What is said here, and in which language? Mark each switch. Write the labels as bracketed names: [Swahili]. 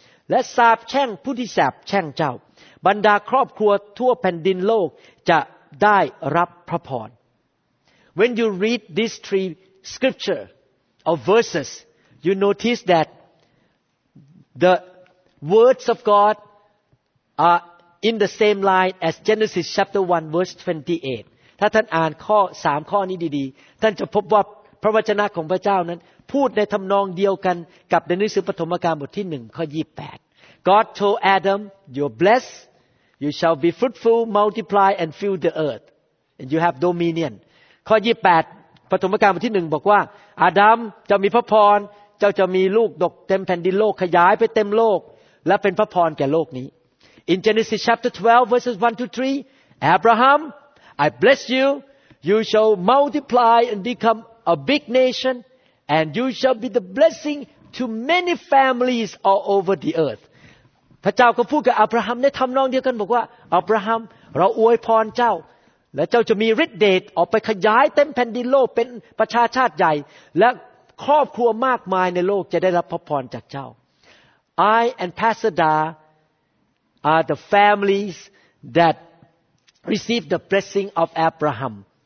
[Thai] และสาปแช่งผู้ที่สาปแช่งเจ้าบรรดาครอบครัวทั่วแผ่นดินโลกจะได้รับพระพร [English] When you read these three scripture or versesYou notice that the words of God are in the same line as Genesis chapter 1 verse 28. [Thai] ถ้าท่านอ่านข้อ3ข้อนี้ดีๆท่านจะพบว่าพระวจนะของพระเจ้านั้นพูดในทำนองเดียวกันกับในหนังสือปฐมกาลบทที่1ข้อ28. [English] God told Adam, "You're blessed. You shall be fruitful, multiply and fill the earth and you have dominion." [Thai] ข้อ28ปฐมกาลบทที่1บอกว่าอาดัมจะมีพระพรเจ้าจะมีลูกดกเต็มแผ่นดินโลกขยายไปเต็มโลกและเป็นพระพรแก่โลกนี้ [English] In Genesis chapter 12 verses 1 to 3 Abraham I bless you shall multiply and become a big nation and you shall be the blessing to many families all over the earth [Thai] พระเจ้าก็พูดกับอับราฮัมในทำนองเดียวกันบอกว่าอับราฮัมเราอวยพรเจ้าและเจ้าจะมีฤทธิ์เดชออกไปขยายเต็มแผ่นดินโลกเป็นประชาชาติใหญ่และครอบครัวมากมายในโลกจะได้รับพระพรจากเจ้า [English] I and Pastor Da are the families that receive the blessing of Abraham.